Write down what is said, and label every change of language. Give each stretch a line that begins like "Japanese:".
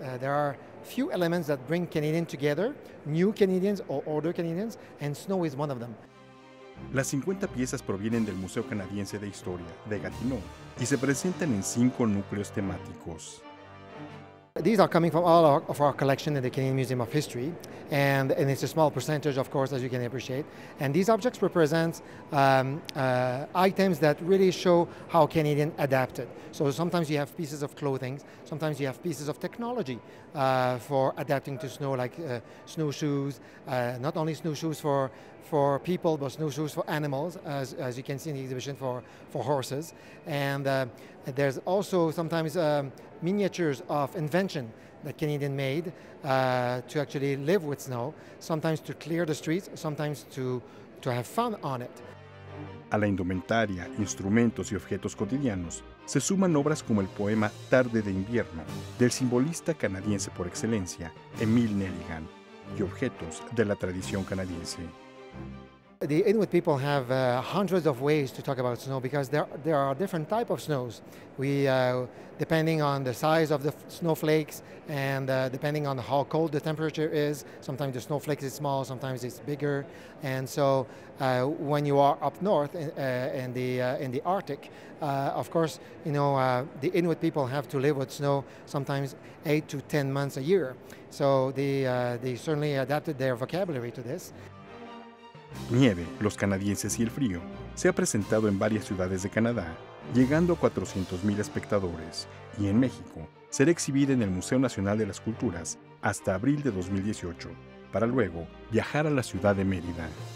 English: There are few elements that bring Canadians together, new Canadians or older Canadians, and snow is one of them.
Spanish: Las 50 piezas provienen del Museo Canadiense de Historia de Gatineau y se presentan en 5 núcleos temáticos.
English: These are coming from all of our collection at the Canadian Museum of History, and it's a small percentage, of course, as you can appreciate. And these objects represent items that really show how Canadian adapted. So sometimes you have pieces of clothing, sometimes you have pieces of technology for adapting to snow, like snowshoes. Not only snowshoes for people, but snowshoes for animals, as you can see in the exhibition for horses. And there's also sometimes miniatures of invention that Canadians made to actually live with snow, sometimes to clear the streets, sometimes to have fun on it.
Spanish: A la indumentaria, instrumentos y objetos cotidianos se suman obras como el poema Tarde de invierno del simbolista canadiense por excelencia, Emile Nelligan, y objetos de la tradición canadiense.
English: The Inuit people have hundreds of ways to talk about snow because there are different types of snows. Depending on the size of the snowflakes and depending on how cold the temperature is, sometimes the snowflakes is small, sometimes it's bigger. And so when you are up north in the Arctic, of course, you know, the Inuit people have to live with snow sometimes 8 to 10 months a year. So they certainly adapted their vocabulary to this.
Spanish: Nieve, los canadienses y el frío se ha presentado en varias ciudades de Canadá, llegando a 400,000 espectadores, y en México será exhibida en el Museo Nacional de las Culturas hasta abril de 2018, para luego viajar a la ciudad de Mérida.